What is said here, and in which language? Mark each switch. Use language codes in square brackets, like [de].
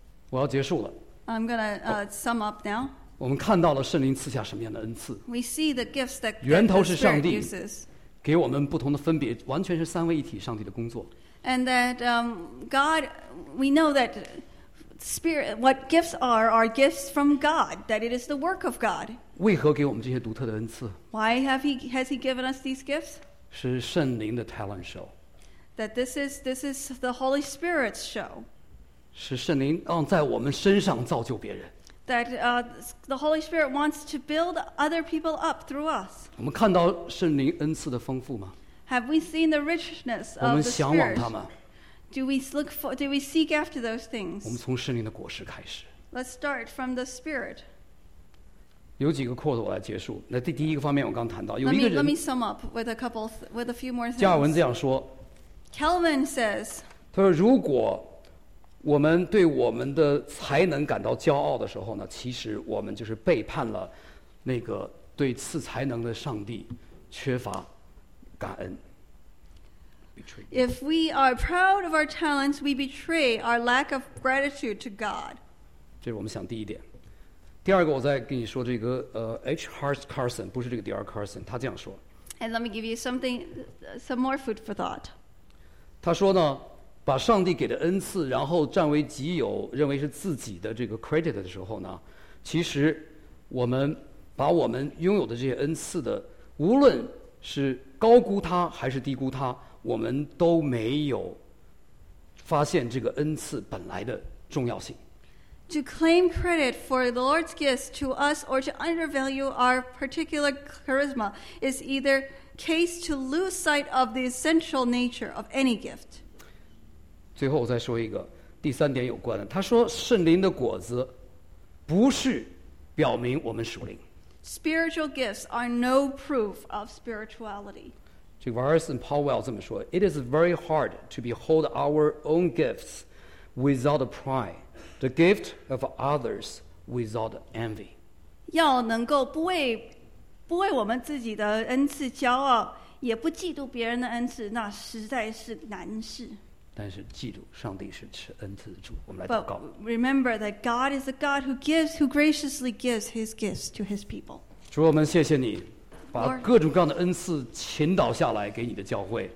[zh] 我要结束了。 [en] I'm going to sum up now. [zh] 我们看到了圣灵赐下什么样的恩赐。 [en] We see the gifts that [zh] 源头是上帝 [en] the Spirit uses. [zh] 给我们不同的分别，完全是三位一体上帝的工作。 [en] And that God, we know that Spirit, what gifts are gifts from God, that it is the work of God. [zh] 为何给我们这些独特的恩赐 [en] ？Why has he given us these gifts? [zh] 是圣灵的 talent show. [en] That this is the Holy Spirit's show. [zh] 是圣灵让在我们身上造就别人。 [en] That the Holy Spirit wants to build other people up through us. [zh] 我们看到圣灵恩赐的丰富吗 [en] ？Have we seen the richness of the Spirit? [zh] 我们向往他吗 [en] Do we seek after those things? [zh] 我们从圣灵的果实开始。 [en] Let's start from the Spirit. [zh] 有几个quote我来结束。那第一个方面我刚谈到，有一个人。 [en] Let me sum up with a few more things. [zh] 加尔文这样说。 [en] Calvin says. [zh] 他说：“如果我们对我们的才能感到骄傲的时候呢，其实我们就是背叛了那个对赐才能的上帝，缺乏感恩。 [en] If we are proud of our talents, we betray our lack of gratitude to God. [zh] 这是我们想第一点。” 第二个，我再跟你说这个H. Hart Carson 不是这个 D.R. Carson， 他这样说。 [en] And let me give you something, some more food for thought. [zh] 他说呢，把上帝给的恩赐，然后占为己有，认为是自己的这个 credit 的时候呢，其实我们把我们拥有的这些恩赐的，无论是高估它还是低估它，我们都没有发现这个恩赐本来的重要性。 [en] To claim credit for the Lord's gifts to us or to undervalue our particular charisma is either case to lose sight of the essential nature of any gift. [zh] 最后我再说一个，第三点有关的。他说圣灵的果子不是表明我们属灵。 [en] Spiritual gifts are no proof of spirituality. [zh] 这个 [en] Virus and Powell [zh] 这么说， [en] It is very hard to behold our own gifts without pride. The gift of others without envy. [zh] 要能够不为我们自己的恩赐骄傲，也不嫉妒别人的恩赐，那实在是难事。但是嫉妒，上帝是赐恩赐的主。我们来祷告。 [en] But remember that God is a God who graciously gives His gifts to His people. [zh] 主，我们谢谢你。把各种各样的恩赐倾倒下来给你的教会。